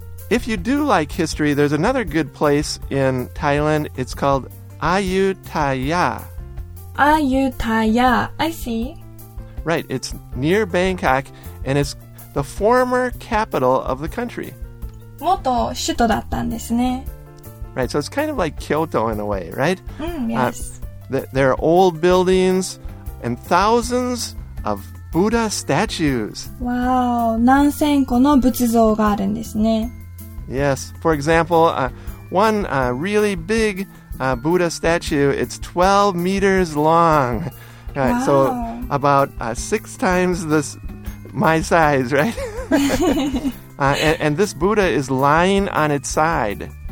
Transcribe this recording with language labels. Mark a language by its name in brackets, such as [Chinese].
[English] If you do like history, there's another good place in Thailand. It's called Ayutthaya. Ayutthaya, I see. Right, it's near Bangkok, and it's the former capital of the country. [Japanese] 元首都だったんですね。 [English] Right, so it's kind of like Kyoto in a way, right? Yes. There are old buildings and thousands of Buddha statues. [Japanese] Wow, 何千個の仏像があるんですね。 [English] Yes, for example, one really big Buddha statue, it's 12 meters long. Right, wow. So about six times this, my size, right? and this Buddha is lying on its side.